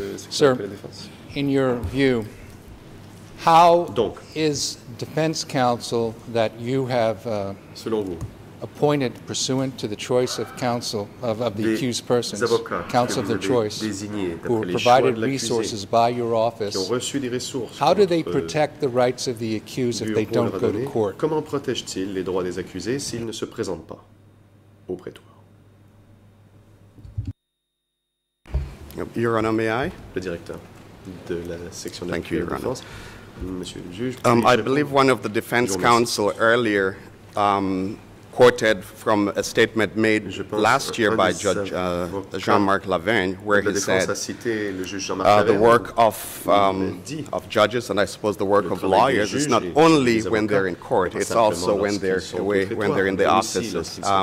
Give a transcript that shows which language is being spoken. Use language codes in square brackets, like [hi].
[en] Sir, in your view, how is defense counsel that you have appointed pursuant to the choice of counsel of the accused persons, counsel of their choice, who were provided resources by your office, how do they protect the rights of the accused if they don't go to court? [fr] Comment protège-t-il les droits des accusés s'ils ne se présentent pas au prétoire? [en] Your Honor, may I? [fr] Le directeur de la section de la défense. [en] I believe one of the defense counsel earlier quoted from a statement made last year by Judge Jean-Marc Lavergne, where he said the work of judges, and I suppose the work of lawyers, is not only when they're in court, it's also when they're away, when they're in the offices.